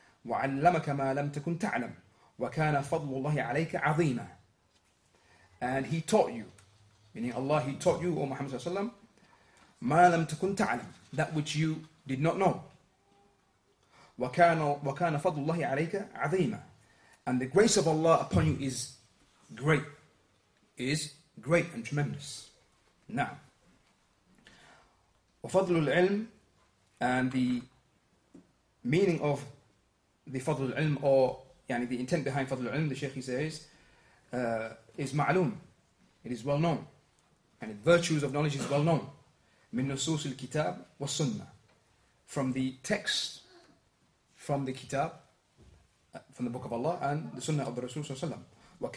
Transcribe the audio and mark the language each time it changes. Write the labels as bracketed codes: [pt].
[ar] وعلمك ما لم تكن تعلم وكان فضل الله عليك عظيما. [en] And he taught you, meaning Allah, he taught you, O Muhammad sallallahu alaihi wasallam, [ar] ما لم تكن تعلم, [en] that which you did not know. [ar] وكان فضل الله عليك عظيما. [en] And the grace of Allah upon you is great and tremendous. Now, [ar] وفضل العلم, [en] and the meaning of the فضل العلم, or يعني the intent behind فضل العلم, the Shaykh, he says, is ma'lum, it is well known, and the virtues of knowledge is well known, [ar] min nusus al-kitab wa sunnah, [en] from the text, from the kitab, from the book of Allah and the sunnah of the Rasul sallallahu alaihi wasallam.